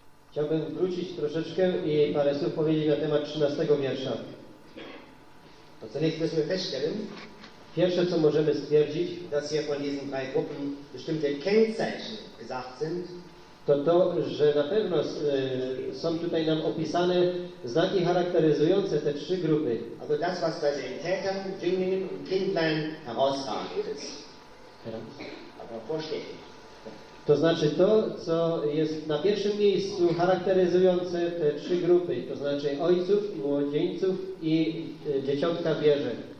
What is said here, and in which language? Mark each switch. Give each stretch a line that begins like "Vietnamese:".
Polish: Chciałbym wrócić troszeczkę i parę słów powiedzieć na temat 13 wiersza.
German: To zunächst müssen wir feststellen,
Polish: pierwsze co możemy stwierdzić,
German: dass hier von diesen drei Gruppen bestimmte Kennzeichen gesagt sind,
Polish: to, że na pewno są tutaj nam opisane znaki charakteryzujące te trzy grupy.
German: Also das, was bei den Tätern, Jünglingen und Kindlein herausragend ist. Aber vorsteht.
Polish: To znaczy to, co jest na pierwszym miejscu charakteryzujące te trzy grupy, to znaczy ojców, młodzieńców i dzieciątka w wierze.